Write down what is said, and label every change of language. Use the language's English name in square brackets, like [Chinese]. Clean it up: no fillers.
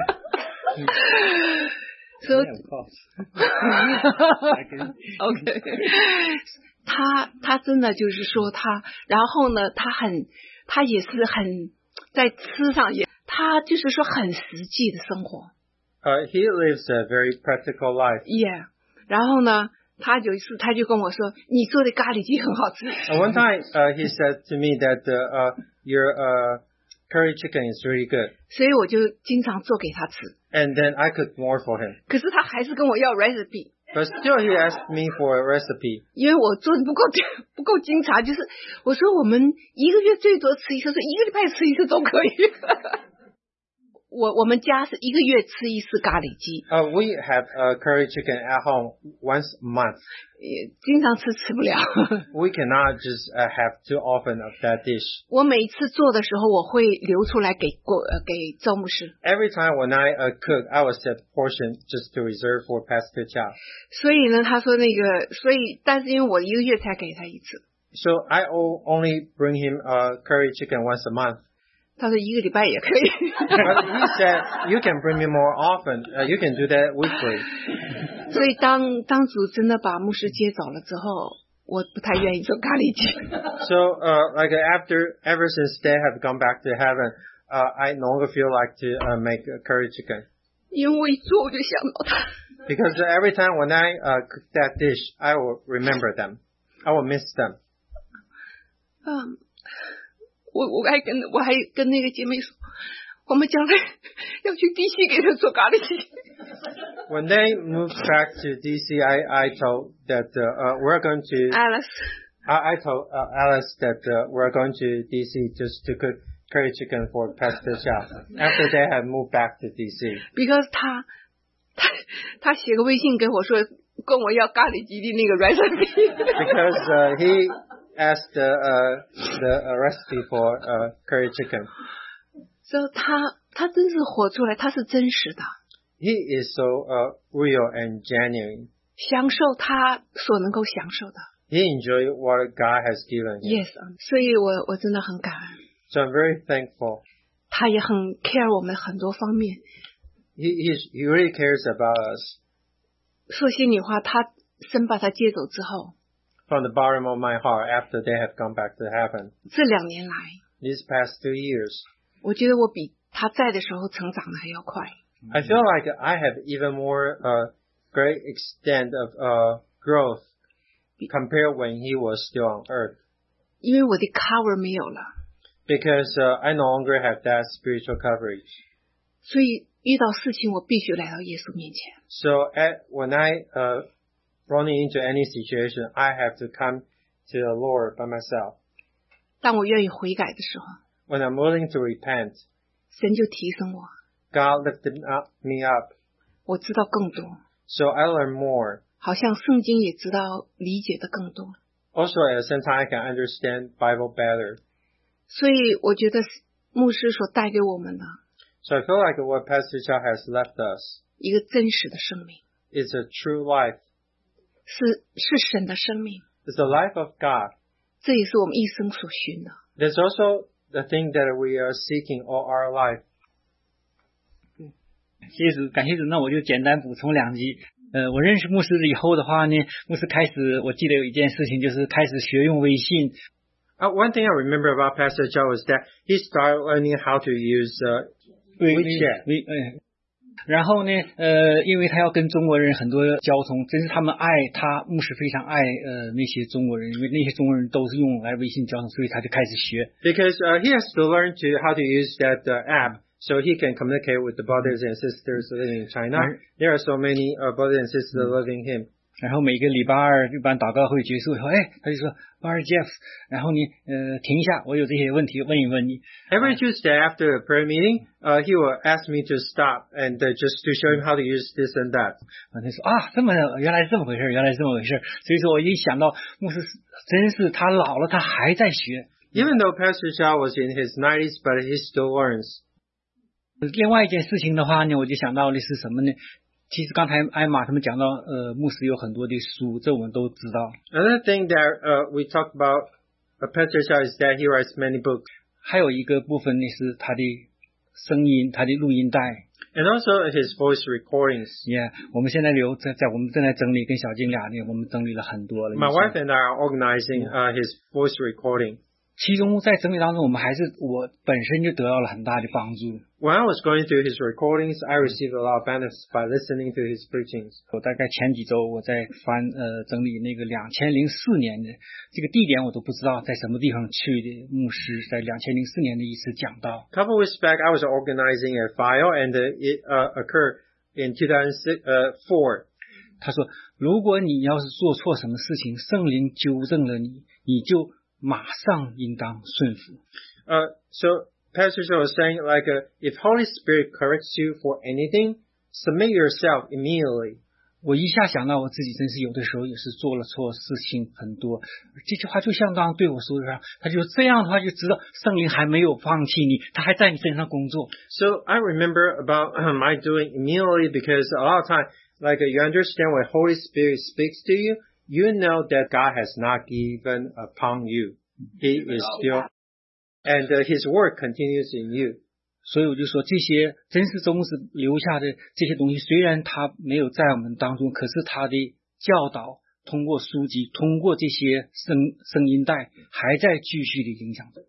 [Chinese] 哈哈哈哈哈他真的就是说他，然后呢他也是很在吃上，也他就是说很实际的生活。 [English] He lives a very practical life. Yeah. [Chinese] 然后呢他有一次他就跟我说，你做的咖喱鸡很好吃。 [English] One time, he said to me that, Curry chicken is really good. [Chinese] 所以我就经常做给他吃。 [English] And then I cook more for him. [Chinese] 可是他还是跟我要 recipe. [English] But still he asked me for a recipe. [Chinese] 因为我做的不够经常，就是我说我们一个月最多吃一次，一个礼拜吃一次都可以。我们家是一个月吃一次咖喱鸡。 [English] We have a curry chicken at home once a month. [Chinese] 经常吃吃不了。 [English] We cannot just have too often of that dish. [Chinese] 我每次做的时候我会留出来给周牧师。 [English] Every time when I cook, I will set portion just to reserve for Pastor Chow. [Chinese] 所以呢他说那个，所以但是因为我一个月才给他一次。 [English] So I only bring him a curry chicken once a month. [Chinese] 他说一个礼拜也可以。 [English] But he said, you can bring me more often. You can do that weekly. [Chinese] 所以当主真的把牧师接走了之后，我不太愿意做咖喱鸡。 [English] So, ever since they have gone back to heaven, I no longer feel like to make curry chicken. [Chinese] 因为做我就想到他。 [English] Because every time when I cook that dish, I will remember them. I will miss them. [Chinese] 我还跟那个姐妹说，我们将来要去 DC 给他做咖喱鸡。 [English] When they moved back to DC, I told that we're going to Alice. I told Alice that we're going to DC just to cook curry chicken for Pastor Chow after they have moved back to DC. Because [Chinese] 他写个微信给我说，跟我要咖喱鸡的那个 recipe. [English] Because he. Asked the recipe for curry chicken. So he [Chinese] 真是活出来，他是真实的。 [English] He is so real and genuine. [Chinese] 享受他所能够享受的。 [English] He enjoyed what God has given him. Yes, [Chinese] 所以我真的很感恩。 [English] So I'm very thankful. [Chinese] 他也很 care 我们很多方面。 [English] He really cares about us. [Chinese] 说心里话，他神把他接走之后。 [English] From the bottom of my heart, after they have gone back to heaven. [Chinese] 这两年来 [English] These past 2 years. [Chinese] 我觉得我比他在的时候成长的还要快。 [English] I feel like I have even more a great extent of growth compared when he was still on earth. [Chinese] 因为我的 cover 没有了。 [English] Because I no longer have that spiritual coverage. [Chinese] 所以遇到事情我必须来到耶稣面前。 [English] So at, when I run into any situation, I have to come to the Lord by myself. [Chinese] 当我愿意悔改的时候 [English] When I'm willing to repent, [Chinese] 神就提升我。 [English] God lifted me up. [Chinese] 我知道更多。 [English] So I learn more. [Chinese] 好像圣经也知道理解的更多。 [English] Also, at the same time, I can understand the Bible better. [Chinese] 所以我觉得牧师所带给我们的 [English] So I feel like what Pastor Chao has left us [Chinese] 一个真实的生命 [English] is a true life. [Chinese] 是神的生命 [English] It's the life of God. [Chinese] 这也是我们一生所寻的 [English] There's also the thing that we are seeking all our life. [Chinese] 谢谢主，感谢主，那我就简单补充两句。我认识牧师以后的话呢，牧师开始，我记得有一件事情，就是开始学用微信。 [English] One thing I remember about Pastor Joe was that he started learning how to use WeChat. [Chinese] 然后呢，因为他要跟中国人很多交通，真是他们爱他，牧师非常爱那些中国人，因为那些中国人都是用来微信交通，所以他就开始学。 [English] Because he has to learn to how to use that app. So he can communicate with the brothers and sisters living in China. There are so many brothers and sisters loving him. [Chinese] 然后每个礼拜二一般祷告会结束以后，哎，他就说 ，Brother Jeff， 然后你停一下，我有这些问题问一问你。 [English] Every Tuesday after a prayer meeting, he will ask me to stop and just to show him how to use this and that. [Chinese] 然后他说啊，这么原来这么回事，原来这么回事。所以说我一想到牧师，真是他老了，他还在学。 [English] Even though Pastor Chao was in his 90s, but he still learns. [Chinese] 另外一件事情的话呢，我就想到的是什么呢？其实刚才艾玛他们讲到，牧师有很多的书，这我们都知道。 [English] Another thing that we talked about, Pastor Chao is that he writes many books. [Chinese] 还有一个部分呢是他的声音，他的录音带。 [English] And also his voice recordings. Yeah, [Chinese] 我们现在留在我们正在整理，跟小静俩呢，我们整理了很多了。 [English] My wife and I are organizing his voice recording. [Chinese] 其中在整理当中，我们还是我本身就得到了很大的帮助。 [English] When I was going through his recordings, I received a lot of benefits by listening to his preachings. [Chinese] 我大概前几周我在翻整理那个2004年的这个地点，我都不知道在什么地方去的牧师在2004年的一次讲道。 [English] Couple weeks back, I was organizing a file, and it occurred in 2004. [Chinese] 他说，如果你要是做错什么事情，圣灵纠正了你，你就马上应当顺服。 [English] So Pastor Joe was saying, like, if Holy Spirit corrects you for anything, submit yourself immediately. [Chinese] 我一下想到我自己，真是有的时候也是做了错事情很多。这句话就相当对我说的，他就这样的话就知道圣灵还没有放弃你，他还在你身上工作。 [English] So I remember about my doing immediately because a lot of time, like, you understand when Holy Spirit speaks to you. You know that God has not given upon you. He is still, and his work continues in you. [Chinese] 所以我就说这些真是宗师留下的这些东西，虽然他没有在我们当中，可是他的教导通过书籍，通过这些声音带，还在继续的影响着。